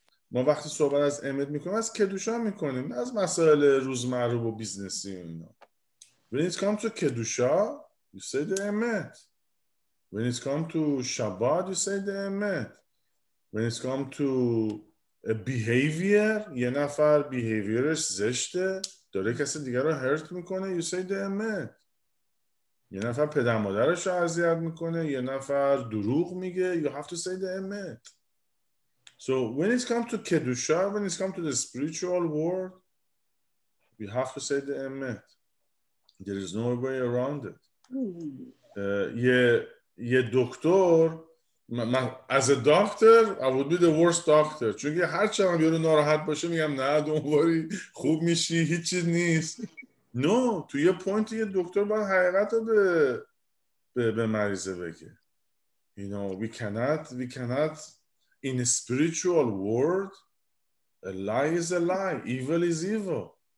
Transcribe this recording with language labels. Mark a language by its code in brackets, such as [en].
[fa] ما وقتی صحبت از امت می کنیم از کدوشا می کنیم. از مسائل روزمره و بیزنسی اینا. [en] When it comes to Kedusha, you say the Emet. When it comes to Shabbat, you say the Emet. When it comes to a behavior, [fa] یه نفر behaviorش زشته, داره کسی دیگر رو [en] hurt میکنه, you say the Emet. [fa] یه نفر پدر مادرش رو اذیت میکنه, یه نفر دروغ میگه, [en] you have to say the Emet. So when it comes to Kedusha, when it comes to the spiritual world, you have to say the Emet. There is no way around it. [fa] یه دکتر [en] as a doctor I would be the worst doctor [fa] چون که هر چند یارو ناراحت باشه میگم نه [en] don't worry [fa] خوب میشی هیچ چیز نیست. [en] No, to your point [fa] یه دکتر باید حقیقت رو به مریضه بگه. [en] You know we cannot in a spiritual world a lie is a lie, evil is evil.